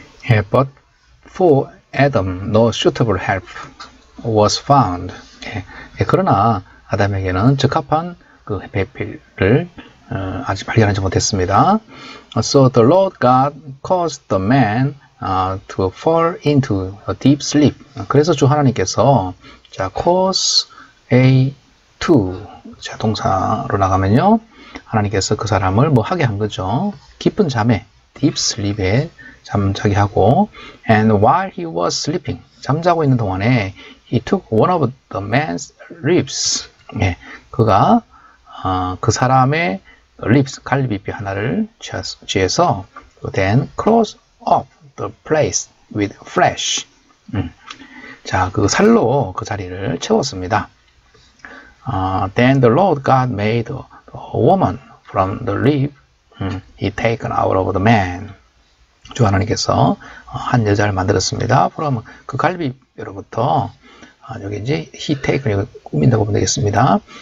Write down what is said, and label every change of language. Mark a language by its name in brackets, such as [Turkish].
[English] 예, but for Adam, no suitable help was found. [Korean] 예, 예, 그러나 아담에게는 적합한 그 배필을 아직 발견하지 못했습니다. [English] So the Lord God caused the man to fall into a deep sleep. [Korean] 그래서 주 하나님께서 자 cause a to 자 동사로 나가면요 하나님께서 그 사람을 뭐 하게 한 거죠. [English] 깊은 잠에 deep sleep에 잠자게 하고 and while he was sleeping [Korean] 잠자고 있는 동안에 [English] he took one of the man's ribs. [Korean] 예, 그가 그 사람의 [English] ribs [Korean] 갈비뼈 하나를 취해서 [English] then close up the place with flesh. [Korean] 자, 그 살로 그 자리를 채웠습니다. [English] Then the Lord God made a woman from the rib he taken out of the man. [Korean] 주 하나님께서 한 여자를 만들었습니다. From 그 갈비뼈로부터 여기 이제 [English] he taken [Korean] 이거 꾸민다고 보면 되겠습니다.